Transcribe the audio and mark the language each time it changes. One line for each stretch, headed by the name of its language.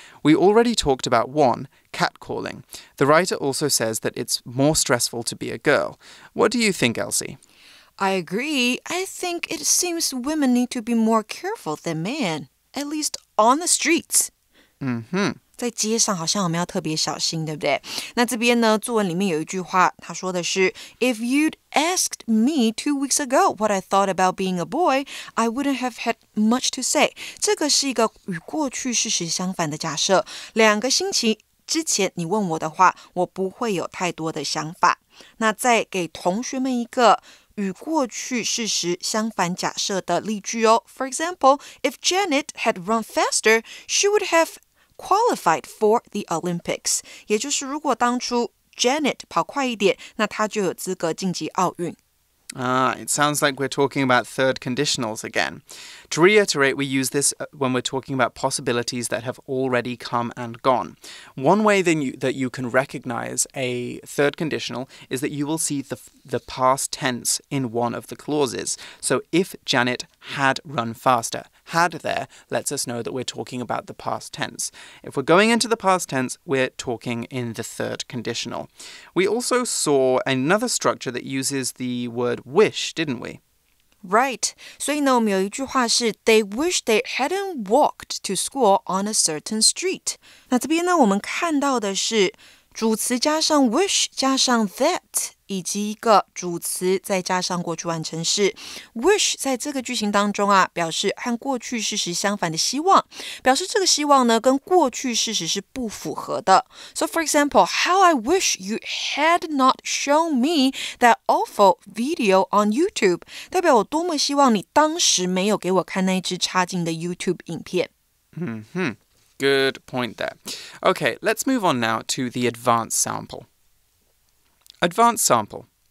English: We already talked about one, catcalling. The writer also says that it's more stressful to be a girl. What do you think, Elsie? I agree. I think it seems women need to be more careful than men, at least on the streets. Mm-hmm.
Chinese: 在街上好像我们要特别小心，对不对？那这边呢，作文里面有一句话，他说的是
English: If you'd asked me 2 weeks ago what I thought about being a boy, I wouldn't have had much to say.
Chinese: 这个是一个与过去事实相反的假设。两个星期之前你问我的话，我不会有太多的想法。那再给同学们一个与过去事实相反假设的例句哦。
English: For example, if Janet had run faster, she would havequalified for the Olympics.
Chinese: 也就是如果当初 Janet 跑快一点，那她就有资格晋级奥运。
English: It sounds like we're talking about third conditionals again. To reiterate, we use this when we're talking about possibilities that have already come and gone. One way that you can recognize a third conditional is that you will see the past tense in one of the clauses. So if Janet had run faster, had there lets us know that we're talking about the past tense. If we're going into the past tense, we're talking in the third conditional. We also saw another structure that uses the word wish, didn't we? Right.
Chinese: 所以呢，我们有一句话是
English: They wish they hadn't walked to school on a certain street.
Chinese: 那这边呢，我们看到的是主词加上 wish 加上 that 以及一个主词再加上过去完成式。 Wish 在这个句型当中啊，表示和过去事实相反的希望，表示这个希望呢跟过去事实是不符合的。
English: So for example, how I wish you had not shown me that awful video on YouTube.
Chinese: 代表我多么希望你当时没有给我看那一支差劲的 YouTube 影片。
English: 嗯哼。Good point there. Okay, let's move on now to the advanced sample. Advanced sample.